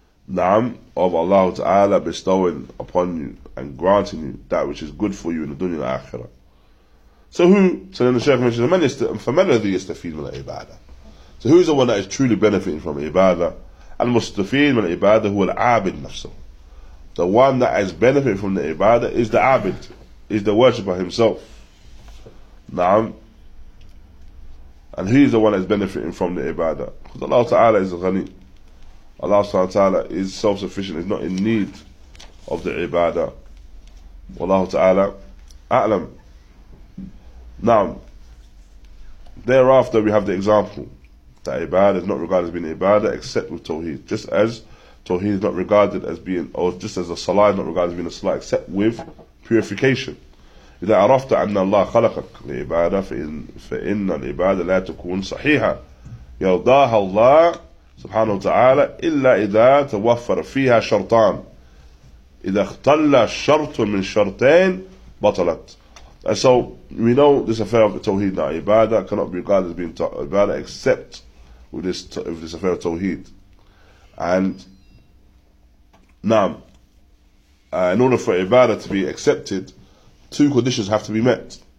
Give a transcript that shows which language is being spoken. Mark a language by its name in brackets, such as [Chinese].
[English] Na'am, of Allah Ta'ala bestowing upon you and granting you that which is good for you in the dunya and akhirah. So who, so then the Shaykh mentions, [Arabic] فَمَنْ الَّذِي يَسْتَفِيدُ مِنَ الْعِبَادَةِ. [English] So who is the one that is truly benefiting from ibadah? [Arabic] المستفيد من العبادة هو العابد نفسه. [English] The one that is benefiting from the ibadah is the abid, is the worshipper himself. Na'am. And he is the one that is benefiting from the ibadah. Because Allah Ta'ala is ghani. Allah subhanahu wa ta'ala is self-sufficient, is not in need of the ibadah. Wallahu ta'ala a'lam. Naam. Thereafter we have the example that ibadah is not regarded as being ibadah except with tawheed. Just as Tawheed is not regarded as being, or just as a salah is not regarded as being a salah, except with purification. [Arabic] إذا عرفت أن الله خلقك لعبادة فإن العبادة لا تكون صحيحة يرضاها الله سبحانه وتعالى إلا إذا توفر فيها شرطان إذا اختل شرط من شرطين بطلت. [English] And so we know this affair of Tawheed, that Ibadah cannot be regarded as being Ibadah except with this affair of Tawheed. And in order for Ibadah to be accepted, two conditions have to be met.